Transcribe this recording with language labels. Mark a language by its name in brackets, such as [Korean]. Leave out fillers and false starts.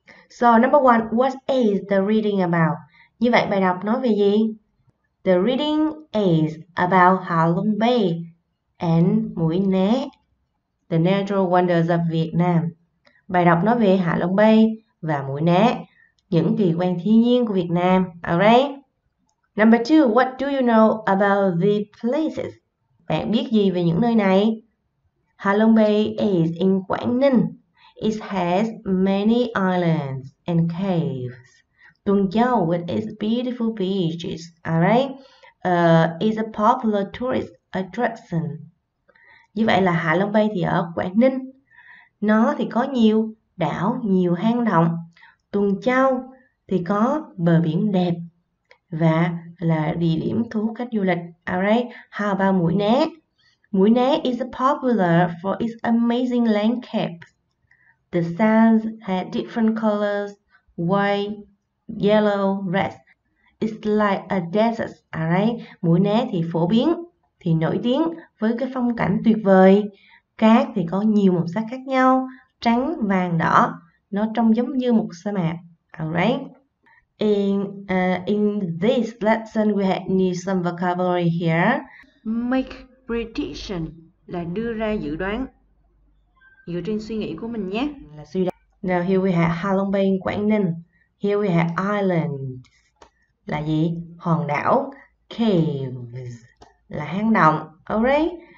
[English] So, number one, what is the reading about? [Vietnamese] Như vậy, bài đọc nói về gì? [English] The reading is about Ha Long Bay and Mũi Né, the natural wonders of Vietnam. [Vietnamese] Bài đọc nói về Ha Long Bay và Mũi Né, những kỳ quan thiên nhiên của Việt Nam. Alright? [English] Number two, what do you know about the places? [Vietnamese] Bạn biết gì về những nơi này? [English] Halong Bay is in Quảng Ninh. It has many islands and caves. Tuần Châu with its beautiful beaches. All right. Is a popular tourist attraction. [Vietnamese] Như vậy là Hạ Long Bay thì ở Quảng Ninh. Nó thì có nhiều đảo, nhiều hang động. Tuần Châu thì có bờ biển đẹp và là địa điểm thu hút khách du lịch. [English] All right. How about Mũi Né? Mũi Né is popular for its amazing landscapes. The sands had different colors, white, yellow, red. It's like a desert, alright? [Vietnamese] Mũi Né thì phổ biến, thì nổi tiếng với cái phong cảnh tuyệt vời. Cát thì có nhiều màu sắc khác nhau, trắng, vàng, đỏ. Nó trông giống như một sa mạc, alright? [English] In this lesson, we had need some vocabulary here. [Vietnamese] Make prediction là đưa ra dự đoán. Dựa trên suy nghĩ của mình nhé. Là suy đoán. [English] Now here we have Halong Bay, Quảng Ninh. Here we have islands. [Vietnamese] Là gì? Hòn đảo. Caves. Là hang động. Alright.